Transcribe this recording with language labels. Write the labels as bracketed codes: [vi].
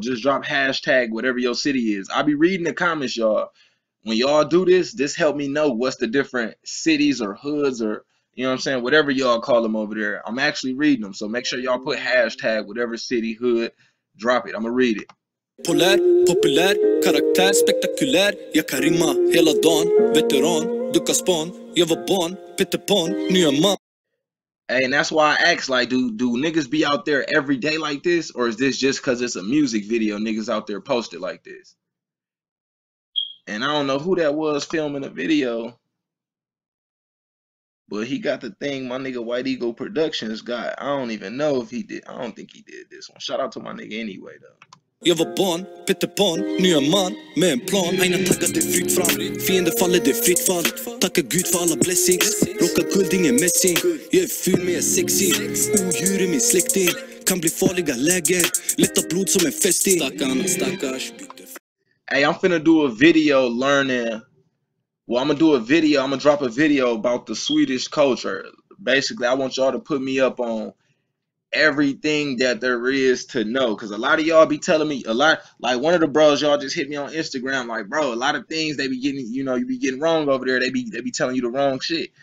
[en] Just drop hashtag whatever your city is. I'll be reading the comments, y'all. When y'all do this, this help me know what's the different cities or hoods or, you know what I'm saying, whatever y'all call them over there. I'm actually reading them, so make sure y'all put hashtag whatever city, hood, drop it. I'm gonna read it. [sv] Polär, populär, karaktär, spektakulär. Jag kan rimma hela dagen, veteran, du kan span. Jag var barn, Peter Pan, nya man. [en] Hey, and that's why I ask, like, do niggas be out there every day like this? Or is this just because it's a music video, niggas out there posted like this? And I don't know who that was filming the video. But he got the thing my nigga White Eagle Productions got. I don't even know if he did. I don't think he did this one. Shout out to my nigga anyway, though. [sv] Jag var barn, Peter Pan, nya man, med en plan. Aina taggade fritt fram, fiende faller det fritt fall. Tacka Gud för alla blessings, rocka guld, ingen mässing. Jag är ful men jag är sexy, odjur i min släkting. Kan bli farliga läger, lätta blod som en fästing. Stackarna, stackars. [en] Hey, I'm finna do a video learning. Well, I'm gonna do a video, I'm gonna drop a video about the Swedish culture. Basically, I want y'all to put me up on everything that there is to know, because a lot of y'all be telling me a lot, like one of the bros y'all just hit me on Instagram like, bro, a lot of things they be getting, you know, you be getting wrong over there, they be telling you the wrong shit.